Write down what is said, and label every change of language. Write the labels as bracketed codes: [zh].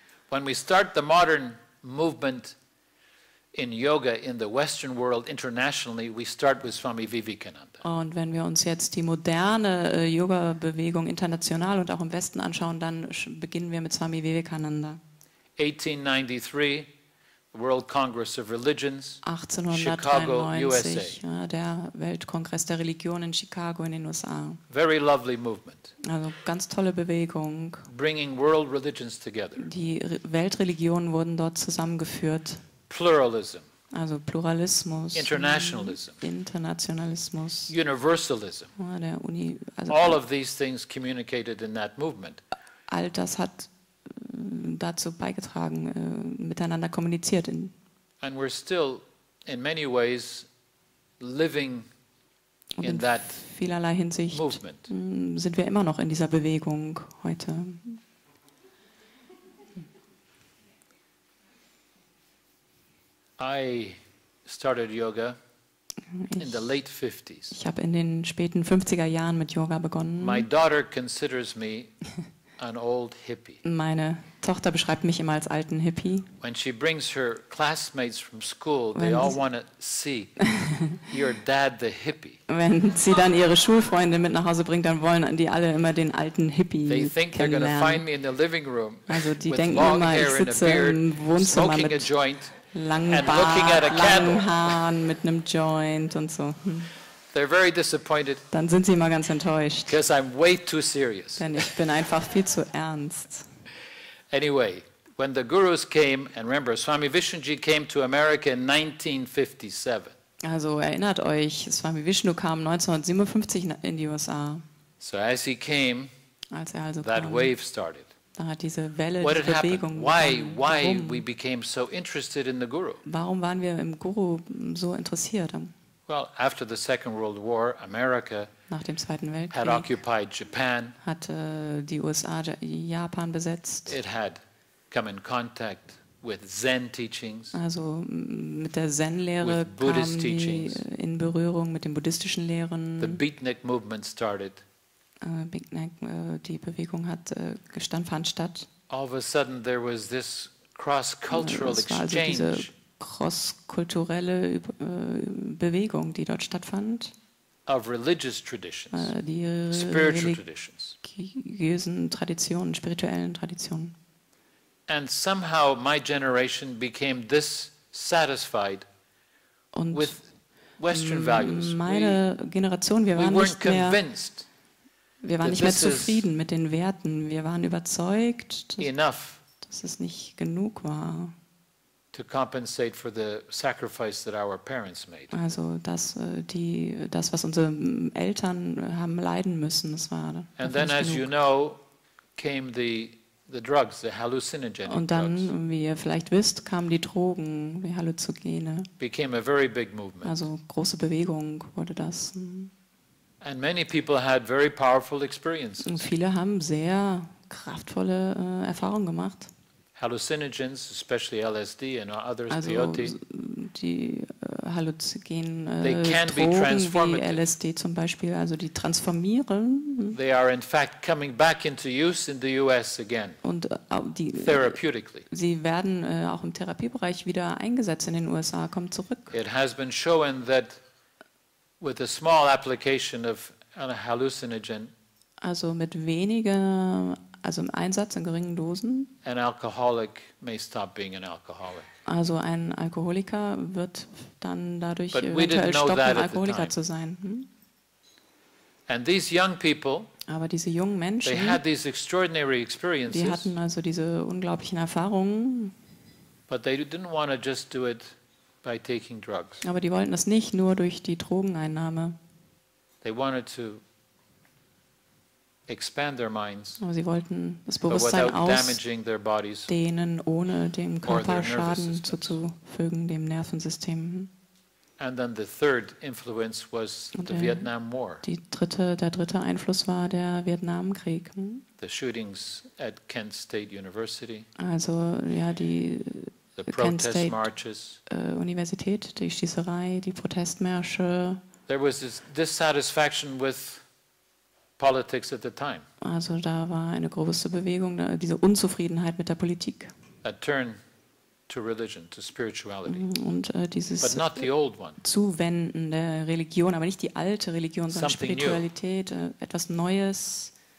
[en] When we start the modern movement in yoga in the Western world internationally, we start with Swami Vivekananda. [de] Und wenn wir uns jetzt die moderne Yoga-Bewegung international und auch im Westen anschauen, dann beginnen wir mit Swami Vivekananda. [en] 1893, World Congress of Religions, [de] 1893, Chicago, USA. Ja, der Weltkongress der Religionen in Chicago in den USA. [en] Very lovely movement. [de] Also ganz tolle Bewegung. [en] Bringing world religions together. [de] Die Weltreligionen wurden dort zusammengeführt. [en] Pluralism. [de] Also Pluralismus. [en] Internationalism. [de] Internationalismus. [en] Universalism. [de] Ja, der Uni, [en] also all of these things communicated in that movement. [de] All das hat dazu beigetragen, miteinander kommuniziert. [en] And we're still in many ways living in that movement. [de] Vielerlei Hinsicht sind wir immer noch in dieser Bewegung heute. [en] I started yoga in the late 50s. [de] Ich habe in den späten 50er Jahren mit Yoga begonnen. [en] My daughter considers me an old hippie. [de] Meine Tochter beschreibt mich immer als alten Hippie. [en] When she brings her classmates from school, they all want to see your dad the hippie. [de] Wenn sie dann ihre Schulfreunde mit nach Hause bringt, dann wollen die alle immer den alten Hippie kennenlernen. [en] They think they're going to find me in the living room. [de] Also die denken immer, ich sitze im Wohnzimmer mit [en] smoking a joint. [de] Langen Haaren mit einem Joint und so. [en] They're very disappointed. [de] Dann sind sie immer ganz enttäuscht. [en] Because I'm way too serious. [de] Denn ich bin einfach viel zu ernst. [en] Anyway, when the gurus came, and remember, Swami Vishnuji came to America in 1957. [de] Also erinnert euch, Swami Vishnu kam 1957 in die USA. [en] So as he came, [de] als er also [en] that [de] kam, [en] wave started. [de] Da hat diese Welle, diese Bewegung begonnen. Warum waren wir im Guru so interessiert? [en] Well, after the Second World War, America [de] nach dem Zweiten Weltkrieg [en] had occupied Japan. [de] Hat die USA Japan besetzt. [en] It had come in contact with Zen teachings, [de] also mit der Zen-Lehre kam die in Berührung mit den buddhistischen Lehren. [en] The Beatnik movement started. [de] Die Bewegung hat fand statt. [en] All of a sudden there was this cross-cultural exchange. [de] Es war also diese cross-kulturelle Bewegung, die dort stattfand. [en] Of religious traditions, [de] die religiösen Traditionen, spirituellen Traditionen. [en] And somehow my generation became this satisfied [de] und [en] with Western values. [de] Meine Generation, wir waren nicht mehr [en] convinced. [de] Wir waren nicht mehr zufrieden mit den Werten. Wir waren überzeugt, dass es nicht genug war. [en] To compensate for the sacrifice that our parents made. [de] Also das, was unsere Eltern haben leiden müssen, das war nicht genug. [en] And then, as you know, came the drugs, the hallucinogenic drugs. [de] Und dann, wie ihr vielleicht wisst, kamen die Drogen, die Halluzinogene. [en] Became a very big movement. [de] Also große Bewegung wurde das. [en] And many people had very powerful experiences. [de] Und viele haben sehr kraftvolle Erfahrungen gemacht. [en] Hallucinogens, especially LSD and others, [de] also [en] POT, [de] die halluzinogenen Drogen wie LSD zum Beispiel, also die transformieren. [en] They are in fact coming back into use in the US again. [de] Und die [en] therapeutically. [de] Sie werden auch im Therapiebereich wieder eingesetzt in den USA, kommen zurück. [en] It has been shown that with a small application of a hallucinogen, [de] also mit weniger, also im Einsatz in geringen Dosen, [en] an alcoholic may stop being an alcoholic. [de] Also ein Alkoholiker wird dann dadurch eventuell stoppen, Alkoholiker zu sein. [en] And these young people, [de] aber diese jungen Menschen, [en] they had these extraordinary experiences, [de] die hatten also diese unglaublichen Erfahrungen, [en] but they didn't want to just do it by taking drugs. [de] Aber die wollten das nicht nur durch die Drogeneinnahme. [en] They wanted to expand their minds. [de] Aber sie wollten das Bewusstsein ausdehnen, ohne dem Körper Schaden zuzufügen, dem Nervensystem. [en] And then the third influence was the Vietnam War. [de] Der dritte Einfluss war der Vietnamkrieg. [en] The shootings at Kent State University. [de] Also ja, die [en] The protest marches, [de] Universität, die Schießerei, die Protestmärsche, [en] There was this dissatisfaction with politics at the time. [de] Also da war eine große Bewegung, diese Unzufriedenheit mit der Politik. [en] A turn to religion, to spirituality. [de] Und dieses [en] But not the old one. [de] Zuwenden der Religion, aber nicht die alte Religion, sondern [en] Something [de] Spiritualität, [en] new. [de] Etwas Neues.